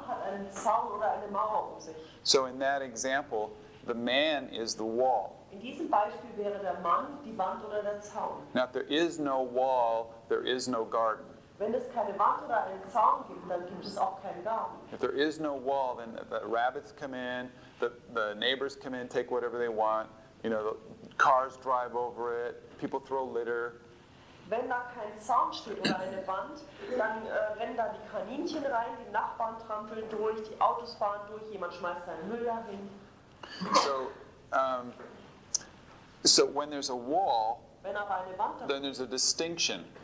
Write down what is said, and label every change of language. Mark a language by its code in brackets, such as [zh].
[de] Hat einen Zaun oder eine Mauer um sich. [en] So in that example, The man is the wall. [de] In diesem Beispiel wäre der Mann die Wand oder der Zaun. [en] Now, if there is no wall, there is no garden. [de] Wenn es keine Wand oder einen Zaun gibt, dann gibt es auch keinen Garten. [en] If there is no wall, then the rabbits come in, the neighbors come in, take whatever they want, you know, the cars drive over it, people throw litter. [de] Wenn da kein Zaun steht oder eine Wand, dann rennen da die Kaninchen rein, die Nachbarn trampeln durch, die Autos fahren durch, jemand schmeißt seinen Müll dahin. [en] So when there's a wall, then there's a distinction.